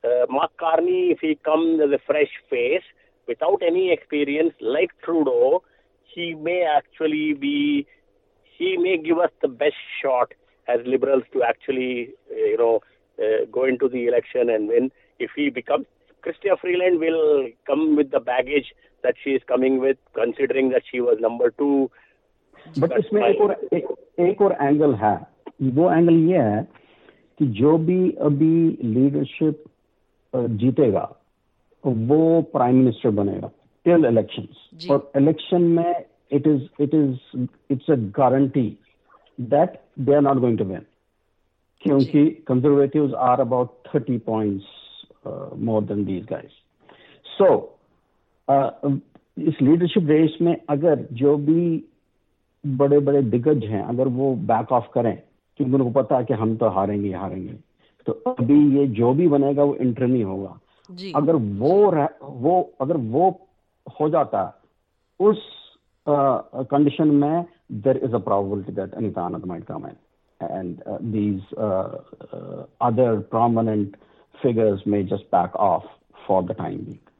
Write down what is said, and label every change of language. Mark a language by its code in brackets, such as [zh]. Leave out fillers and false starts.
[en] Mark Carney, if he comes as a fresh face without any experience, like Trudeau, he may give us the best shot as liberals to actually, go into the election and win. If he becomes, Chrystia Freeland will come with the baggage that she is coming with, considering that she was number two. [hi] But इसमें एक और angle है, वो angle ये है कि जो भी अभी लीडरशिप जीतेगा वो प्राइम मिनिस्टर बनेगा टिल elections. और इलेक्शन में [en] it's a guarantee that they are not going to win, [hi] क्योंकि [en] conservatives are about 30 points more than these guys. [hi] So इस लीडरशिप रेस में अगर जो भी बड़े बड़े दिग्गज हैं अगर वो बैक ऑफ करें, क्योंकि उनको पता है कि हम तो हारेंगे हारेंगे, तो अभी ये जो भी बनेगा वो इंटरिम ही होगा जी। अगर वो हो जाता उस कंडीशन में, [en] There is a probability that Anita Anand might come in and these other prominent figures may just back off for the time being.